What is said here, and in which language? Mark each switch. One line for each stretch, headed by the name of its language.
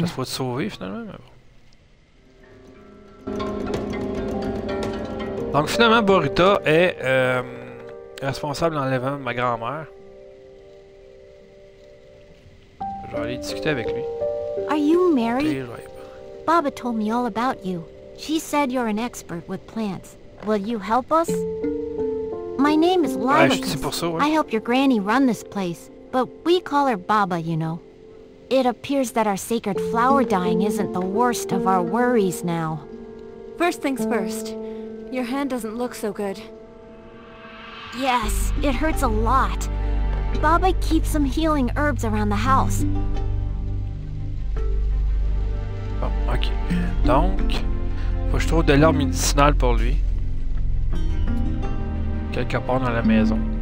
French: Ça, faut te sauver, finalement. Mais bon. Donc, finalement, Boruta est responsable de l'enlèvement de ma grand-mère. Je vais aller discuter avec lui.
English: Are you married? Baba told me all about you. She said you're an expert with plants. Will you help us? My name is Lilacus.
French: Ouais, je suis pour ça, ouais.
English: I help your granny run this place, but we call her Baba, you know. It appears that our sacred flower dying isn't the worst of our worries now. First things first. Your hand doesn't look so good. Yes, it hurts a lot. Baba keeps some healing herbs around the house. Oh, ok.
French: Donc, faut que je trouve de l'herbe médicinale pour lui. Quelque part dans la maison.